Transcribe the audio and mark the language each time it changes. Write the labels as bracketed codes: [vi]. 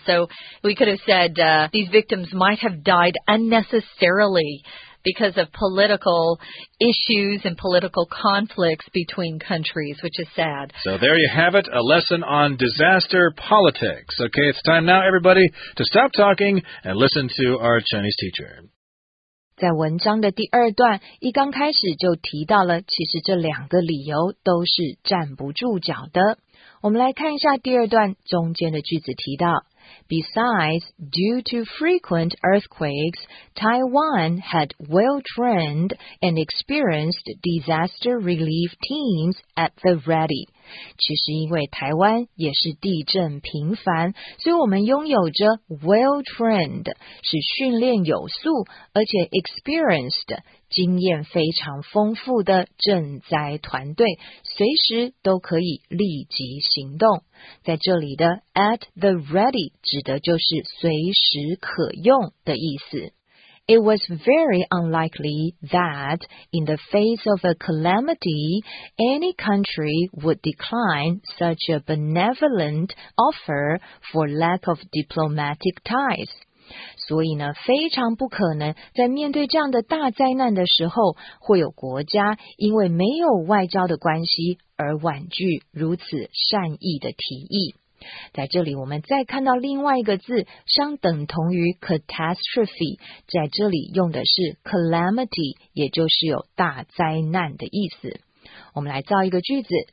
[en] So we could have said these victims might have died unnecessarily because of political issues and political conflicts between countries, which is sad. So there you have it, a lesson on disaster politics. Okay, it's time now, everybody, to stop talking and listen to our Chinese teacher. [zh] 在文章的第二段一刚开始就提到了，其实这两个理由都是站不住脚的。我们来看一下第二段中间的句子，提到 [en] Besides, due to frequent earthquakes, Taiwan had well-trained and experienced disaster relief teams at the ready. [zh] 其实因为台湾也是地震频繁，所以我们拥有着 well-trained, 是训练有素，而且 experienced,经验非常丰富的赈灾团队，随时都可以立即行动。在这里的 [en] at the ready [zh] 指的就是随时可用的意思。 [en] It was very unlikely that, in the face of a calamity, any country would decline such a benevolent offer for lack of diplomatic ties. [zh] 所以呢，非常不可能在面对这样的大灾难的时候，会有国家因为没有外交的关系而婉拒如此善意的提议。在这里我们再看到另外一个字，相等同于 catastrophe， 在这里用的是 calamity， 也就是有大灾难的意思。我们来造一个句子。